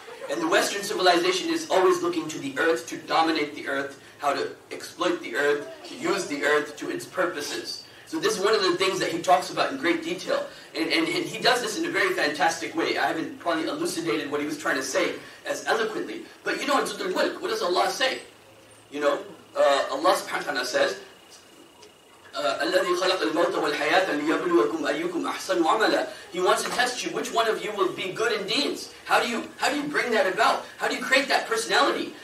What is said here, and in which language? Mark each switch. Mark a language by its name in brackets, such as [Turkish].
[English] And the Western civilization is always looking to the earth, to dominate the earth, how to exploit the earth, to use the earth to its purposes. So this is one of the things that he talks about in great detail. And he does this in a very fantastic way. I haven't probably elucidated what he was trying to say as eloquently. But you know, in Surah Al-Mulk, what does Allah say? You know, Allah subhanahu wa ta'ala says, [Arabic] الَّذِي خَلَقَ الْمَوْتَ وَالْحَيَاةَ لِيَبْلُوَكُمْ أَيُّكُمْ أَحْسَنُ عَمَلًا. [English] He wants to test you. Which one of you will be good in deeds? How do you bring that about? How do you create that personality?